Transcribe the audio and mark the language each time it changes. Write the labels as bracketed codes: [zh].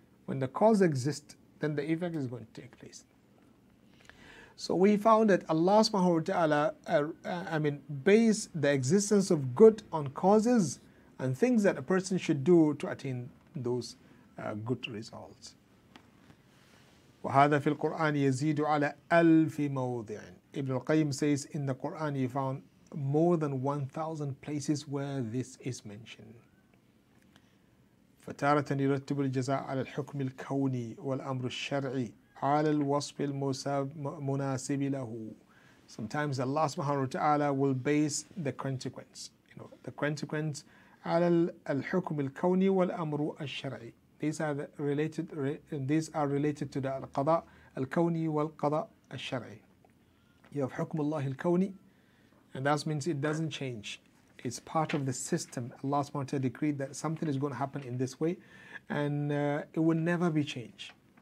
[en] When the cause exists, then the effect is going to take place. So we found that Allah subhanahu wa ta'ala, base the existence of good on causes and things that a person should do to attain those good results. [ar] وَهَذَا فِي الْقُرْآنِ يَزِيدُ عَلَىٰ أَلْفِ مَوْضِعٍ [en] Ibn Al Qayyim says, in the Qur'an you found more than 1,000 places where this is mentioned. [ar] فَتَارَةً يُرَتِّبُ الْجَزَاءَ عَلَى الْحُكْمِ الْكَوْنِي وَالْأَمْرُ الشَّرْعِي عَلَى الْوَصْفِ الْمُنَاسِبِ لَهُ [en] Sometimes Allah subhanahu wa ta'ala will base the consequence. You know, the consequence, [ar] عَلَى الْحُكْمِ الْكَوْنِي وَالْأَمْرُ الشَّرْعِي [en] These are related to the al-qada al-kawni wal-qada al-shar'i. You have hukm Allah al-kawni, and that means it doesn't change. It's part of the system. Allah subhanahu wa ta'ala decreed that something is going to happen in this way, and it will never be changed.